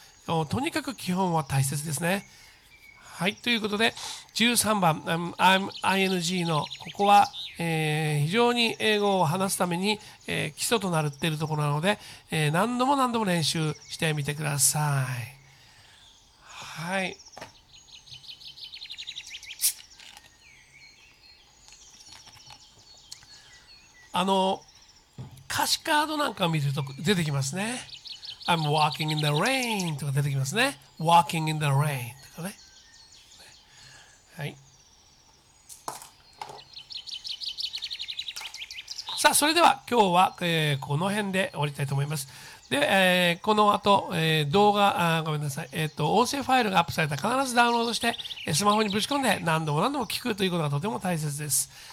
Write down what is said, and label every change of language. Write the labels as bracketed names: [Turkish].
[Japanese] とにかく基本は大切ですね。はい、ということで、13番、ING の、ここは、非常に英語を話すために、基礎となるっていうところなので、何度も何度も練習してみてください。はい、歌詞カードなんかを見ると出てきますね。 [English] I'm walking in the rain [Japanese] とか出てきますね。 [English] Walking in the rain とかね。 [Japanese] はい、さあ、それでは今日は、この辺で終わりたいと思います。で、この後、動画、ごめんなさい、音声ファイルがアップされたら必ずダウンロードして、スマホにぶち込んで何度も何度も聞くということがとても大切です。